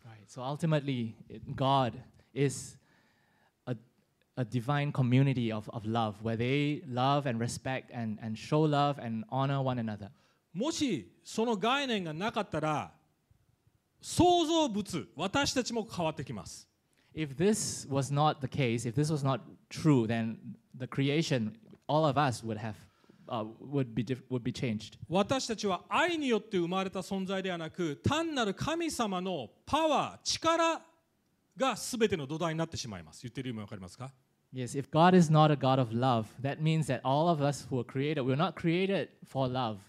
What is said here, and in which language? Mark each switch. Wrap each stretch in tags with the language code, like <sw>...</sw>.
<en>Right. So ultimately, God is a divine community of love where they love and respect and show love and honor one another.</en> <ja>もしその概念がなかったら、創造物、私たちも変わってきます。</ja> <en>If this was not the case, if this was not true, then the creation, all of us would have would be changed.</en> <ja>私たちは愛によって生まれた存在ではなく、単なる神様のパワー、力が全ての土台になってしまいます。言っている意味わかりますか？</ja> <en>Yes, if God is not a God of love, that means that all of us who are created, we're not created for love.</en>